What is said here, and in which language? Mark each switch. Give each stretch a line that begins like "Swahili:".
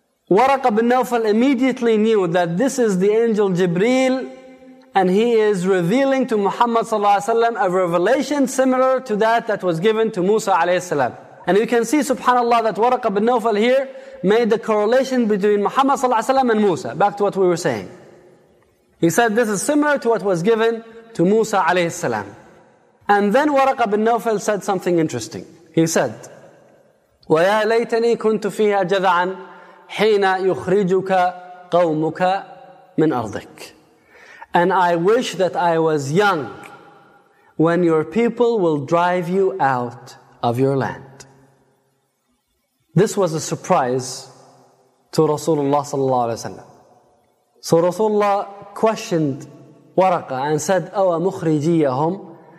English: Waraqa bin Nawfal immediately knew that this is the angel Jibreel, and he is revealing to Muhammad sallallahu alayhi wa sallam a revelation similar to that was given to Musa alayhi salam. And you can see, subhanAllah, that Waraqa bin Nawfal here made the correlation between Muhammad sallallahu alayhi wa sallam and Musa. Back to what we were saying. He said this is similar to what was given to Musa alayhi salam. And then Waraqa bin Nawfal said something interesting. He said,
Arabic: وَيَا لَيْتَنِي كُنْتُ فِيهَا جَذَعًا حِينَ يُخْرِجُكَ قَوْمُكَ مِنْ أَرْضِكَ.
English: And I wish that I was young when your people will drive you out of your land. This was a surprise to Rasulullah sallallahu alayhi wa sallam. So Rasulullah questioned Waraqa and said,
Arabic: أَوَ مُخْرِجِيَهُمْ.